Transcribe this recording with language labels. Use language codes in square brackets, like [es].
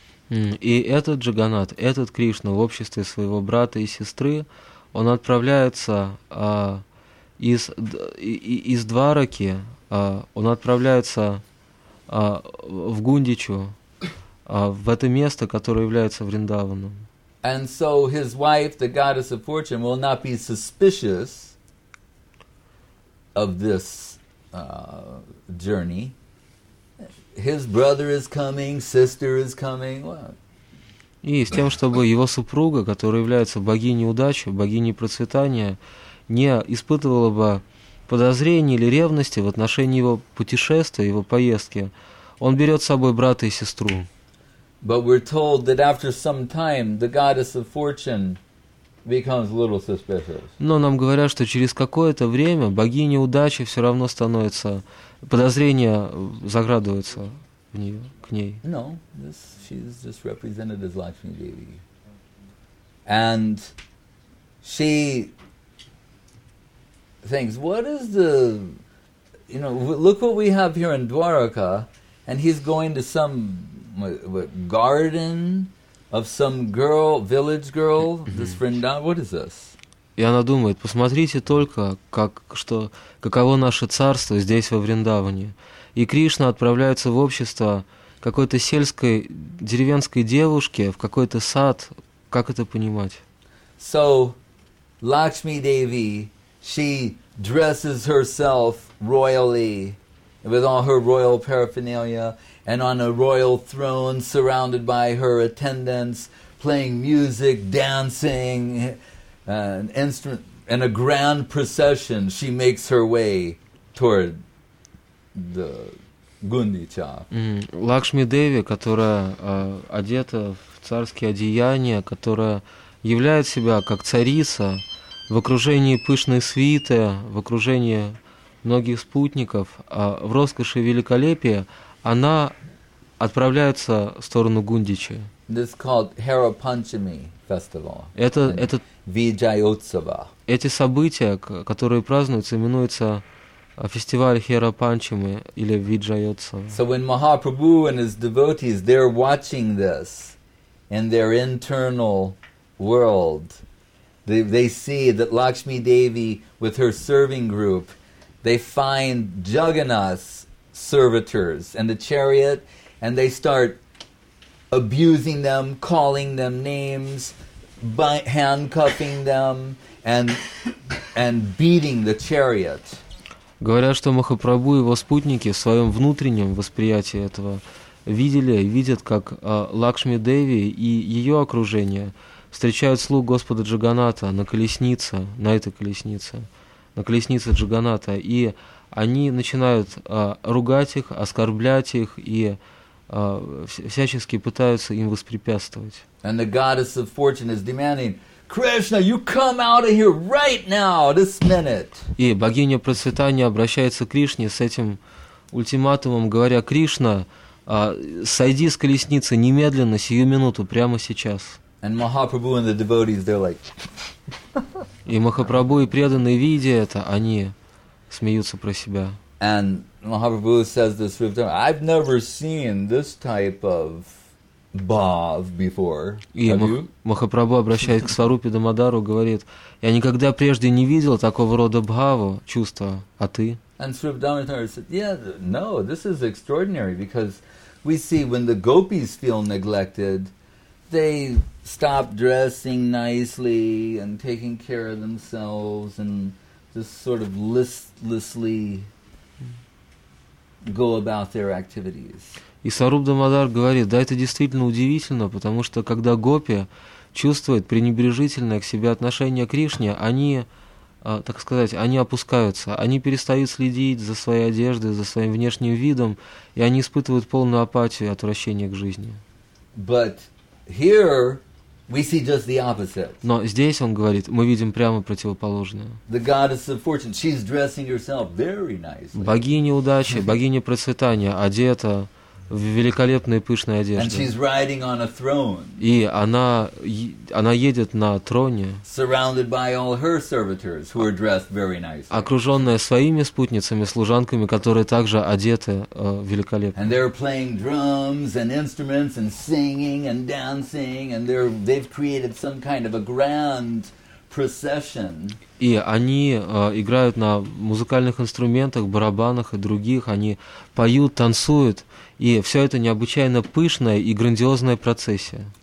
[ru] И этот Джаганнат, этот Кришна в обществе своего брата и сестры, он отправляется из Двараки, он отправляется в Гундичу, в это место, которое является Вриндаваном. [en] And so his wife, the goddess of fortune, will not be suspicious of this journey. His brother is coming, sister is coming. [ru] И с тем, чтобы его супруга, которая является богиней удачи, богиней процветания, не испытывала бы подозрений или ревности в отношении его путешествия, его поездки, он берет с собой брата и сестру. [en] But we're told that after some time the goddess of fortune becomes a little suspicious. [ru] Но нам говорят, что через какое-то время богиня удачи все равно становится, подозрения заградуются в нее, к ней. [en] No, this, she's just represented as Lakshmi Devi. And she thinks, what is the, you know, look what we have here in Dwaraka, and he's going to some garden of some girl, village girl, this Vrindavan, what is this? [ru] И она думает, посмотрите только, как, что, каково наше царство здесь во Вриндаване. И Кришна отправляется в общество какой-то сельской, деревенской девушки, в какой-то сад. Как это понимать? [en] So, Lakshmi Devi, she dresses herself royally, with all her royal paraphernalia, and on a royal throne, surrounded by her attendants, playing music, dancing, an instrument, and a grand procession, she makes her way toward the Гундича. [ru] Лакшми Деви, которая одета в царские одеяния, которая являет себя как царица в окружении пышной свиты, в окружении многих спутников, в роскоши и великолепии, она отправляется в сторону Гундичи. [en] This is called Hara Panchami festival. [ru] Это Виджайотсава. Эти события, которые празднуются, именуются фестиваль Хера Панчами или Виджайотсава. [en] So when Mahaprabhu and his devotees, they're watching this in their internal world, they see that Lakshmi Devi with her serving group, they find Jagannath's servitors and the chariot, and they start abusing them, calling them names, handcuffing them, and beating the chariot. [ru] Говорят, что Махапрабху и его спутники в своем внутреннем восприятии этого видели и видят, как Лакшми Деви и ее окружение встречают слуг Господа Джаганната на колеснице, на этой колеснице, на колеснице Джаганната, и они начинают ругать их, оскорблять их и всячески пытаются им воспрепятствовать. [en] And the goddess of fortune is demanding, Krishna, you come out of here right now, this minute. [ru] И богиня процветания обращается к Кришне с этим ультиматумом, говоря, Кришна, сойди с колесницы немедленно, сию минуту, прямо сейчас. [en] And Mahaprabhu and the devotees, they're like... [ru] И Махапрабху и преданные, видя это, они смеются про себя. [en] And Mahaprabhu says this with them, I've never seen this type of bhav before. [ru] И Махапрабху, обращаясь к Сварупе Дамодару, говорит, я никогда прежде не видел такого рода бхаву, чувства, а ты? [en] And Sri Dhamadhara said, yeah, no, this is extraordinary, because we see when the gopis feel neglected, they stop dressing nicely and taking care of themselves and just sort of listlessly go about their activities. [ru] И Сваруп Дамодар говорит, да, это действительно удивительно, потому что когда гопи чувствуют пренебрежительное к себе отношение к Кришне, они так сказать, они опускаются, они перестают следить за своей одеждой, за своим внешним видом, и они испытывают полную апатию и отвращение к жизни. [en] But here we see just the opposite. [ru] Но здесь, он говорит, мы видим прямо противоположное. [en] The goddess of fortune, she's dressing herself very nicely. [ru] Богиня удачи, богиня процветания, одета в великолепные пышные одежды. [en] And she's riding on a throne. [ru] И она едет на троне, [en] surrounded by all her servitors, who are dressed very nicely. [ru] Окруженная своими спутницами, служанками, которые также одеты великолепно. [en] And they're playing drums and instruments and singing and dancing, and they've created some kind of a grand procession. [ru] И они играют на музыкальных инструментах, барабанах и других, они поют, танцуют. И все это необычайно пышная и грандиозная процессия.